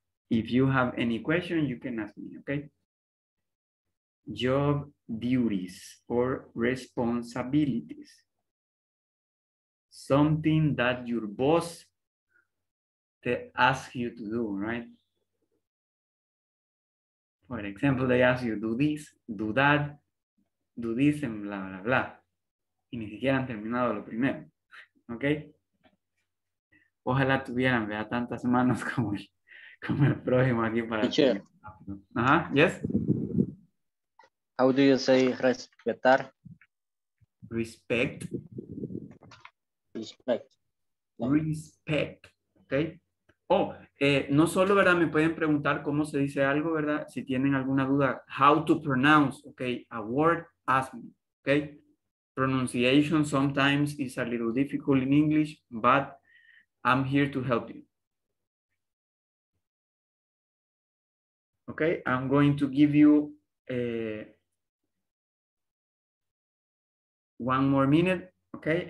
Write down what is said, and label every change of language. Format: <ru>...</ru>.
<en>If you have any question, you can ask me, okay? Job duties or responsibilities. Something that your boss</en> <es>te</es> <en>asks you to do, right? For example, they ask you, do this, do that, do this, and blah, blah, blah.</en> <es>Y ni siquiera han terminado lo primero, okay? Ojalá tuvieran, vea, tantas manos como yo. Como el próximo aquí para ajá, yes. How do you say respetar? Respect. Respect. Respect. Ok. No solo, ¿verdad? Me pueden preguntar cómo se dice algo, ¿verdad? Si tienen alguna duda.</es> <en>How to pronounce, ok. A word, ask me. Ok. Pronunciation sometimes is a little difficult in English, but I'm here to help you. Okay, I'm going to give you one more minute, okay?</en>